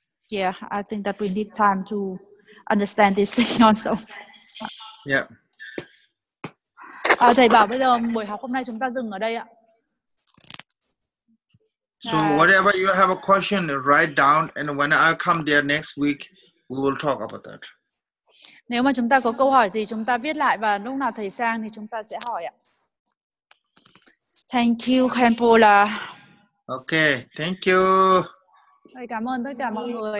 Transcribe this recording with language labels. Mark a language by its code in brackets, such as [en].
[en] Yeah, I think that we need time to understand this thing also. Yeah. [vi] Thầy bảo bây giờ buổi học hôm nay chúng ta dừng ở đây ạ. [en] So whatever you have a question, write down, and when I come there next week, we will talk about that. [vi] Nếu mà chúng ta có câu hỏi gì, chúng ta viết lại, và lúc nào thầy sang thì chúng ta sẽ hỏi ạ. [en] Thank you, Khampola. Okay, thank you. [vi] Thầy cảm ơn tất cả mọi người.